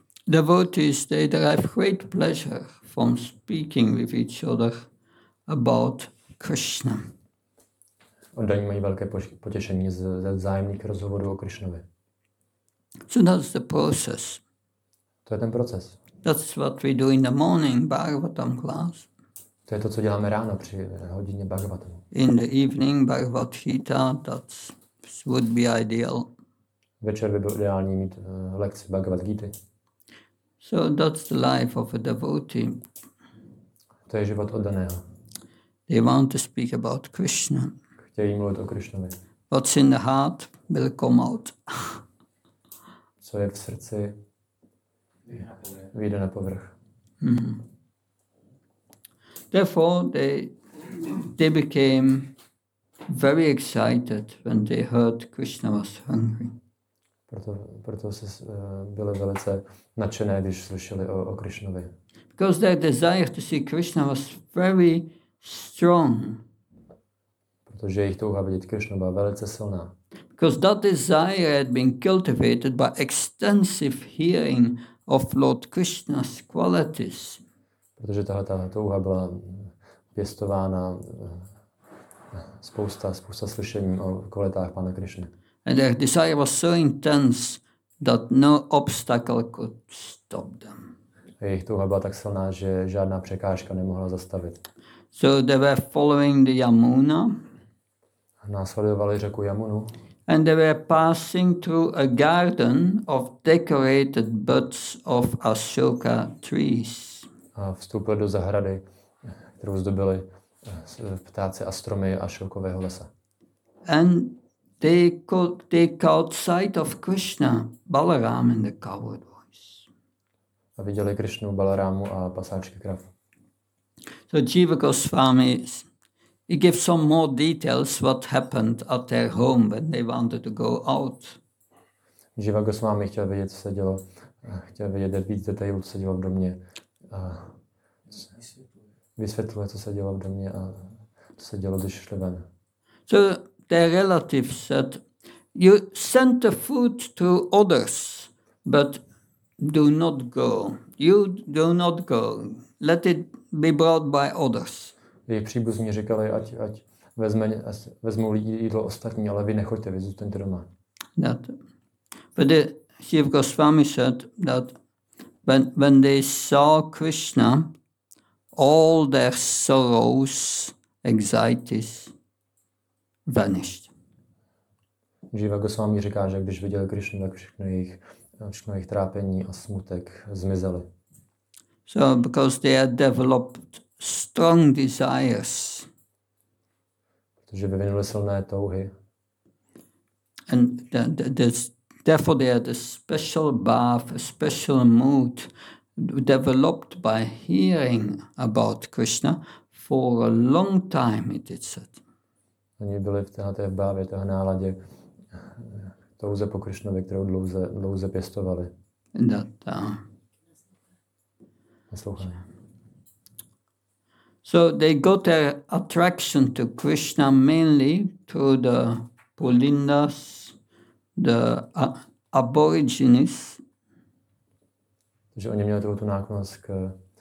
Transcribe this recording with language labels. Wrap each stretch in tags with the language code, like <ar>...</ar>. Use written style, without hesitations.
<en>Devotees, they derive great pleasure from speaking with each other about Krishna.</en> <cs>Oddaní mají velké potěšení ze vzájemných rozhovorů o Krishnovi.</cs> <en>So that's the process.</en> <cs>To je ten proces.</cs> <en>That's what we do in the morning, Bhagavatam class.</en> <cs>To je to, co děláme ráno při hodině Bhagavatam.</cs> <en>In the evening, Bhagavad Gita, that would be ideal.</en> <cs>Večer by bylo ideální mít lekci Bhagavad Gita.</cs> <en>So that's the life of a devotee.</en> <cs>To je život oddaného.</cs> <en>They want to speak about Krishna.</en> <cs>Chtějí mluvit o Krishnovi.</cs> <en>What's in the heart will come out.</en> <cs>Co je v srdci, vyjde na povrch. Mm-hmm.</cs> <en>Therefore, they became very excited when they heard Krishna was hungry.</en> <cs>Proto se byli velice nadšené, když slyšeli o Krishnovi.</cs> <en>Because their desire to see Krishna was very strong.</en> <cs>Protože jejich touha vidět Krishna byla velice silná.</cs> <en>Because that desire had been cultivated by extensive hearing of Lord Krishna's qualities.</en> <cs>Protože tahle touha byla pěstována spousta slyšením o kvalitách Pána Krishny.</cs> <en>And their desire was so intense that no obstacle could stop them.</en> <cs>Jejich touha byla tak silná, že žádná překážka nemohla zastavit.</cs> <en>So they were following the Yamuna.</en> <cs>Následovali řeku Yamunu.</cs> <en>And they were passing through a garden of decorated buds of Ashoka trees.</en> <cs>A vstoupili do zahrady, kterou zdobili ptáci a stromy Ashokového lesa.</cs> <en>And they caught sight of Krishna, Balaram and the cowherd boys.</en> <cs>A viděli Krishnu, Balarámu a pasáčky krav.</cs> <en>So Jiva Goswami, he gives some more details what happened at their home when they wanted to go out.</en> <cs>Jiva Goswami chtěl vidět, jak víc detailů se dělo v domě. Vysvětluje, co se dělo v domě a co se dělo, když šli ven.</cs> <en>So their relative said, you send the food to others, but do not go. You do not go. Let it be brought by others.</en> <cs>Jejich příbuzní říkali, ať vezmou lidi jídlo ostatní, ale vy nechoďte, vy zůstaňte doma.</cs> <en>That. But the Shiva Goswami said that when they saw Krishna, all their sorrows, anxieties vanished.</en> <cs>Shiva Goswami říká, že když viděli Krishnu, tak všechno jejich trápení a smutek zmizely.</cs> <en>So because they had developed strong desires.</en> <cs>Protože vyvinuli silné touhy.</cs> <en>And therefore they had a special bath, a special mood developed by hearing about Krishna for a long time, it is said.</en> <cs>Oni byli v té bávě, té náladě, touze po Krishnovi, kterou dlouze pěstovali. Naslouchali.</cs> <en>So they got their attraction to Krishna mainly through the Pulindas, the aborigines.</en> <cs>Takže oni měli tu náklonost k</cs>